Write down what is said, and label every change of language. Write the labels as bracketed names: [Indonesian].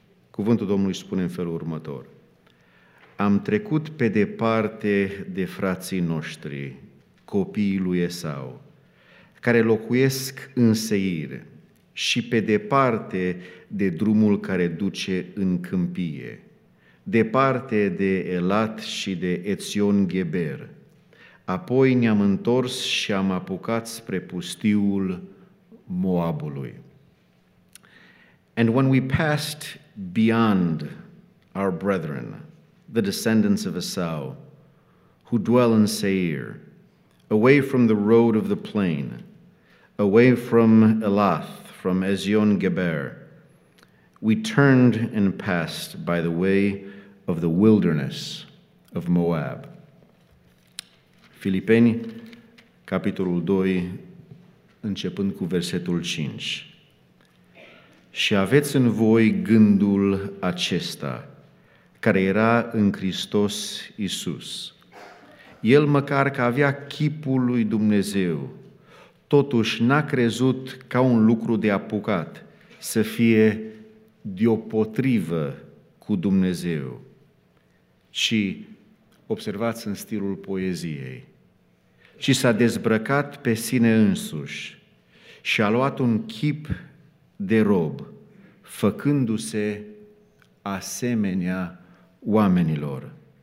[Romanian] Cuvântul Domnului spune în felul următor. Am trecut pe departe de frații noștri, copiii lui Esau, care locuiesc în Seir și pe departe de drumul care duce în câmpie, departe de Elat și de Ețion Gheber. Apoi ne-am întors și am apucat spre pustiul Moabului. [English] And when we passed beyond our brethren, the descendants of Esau, who dwell in Seir, away from the road of the plain, away from Elath, from Ezion Geber, we turned and passed by the way of the wilderness of Moab. [Romanian] Filipeni, capitolul 2, începând cu versetul 5. Și aveți în voi gândul acesta, care era în Hristos Iisus. El, măcar că avea chipul lui Dumnezeu, totuși n-a crezut ca un lucru de apucat să fie deopotrivă cu Dumnezeu, ci, observați în stilul poeziei, ci s-a dezbrăcat pe sine însuși și a luat un chip de rob, făcându-se asemenea oamenilor.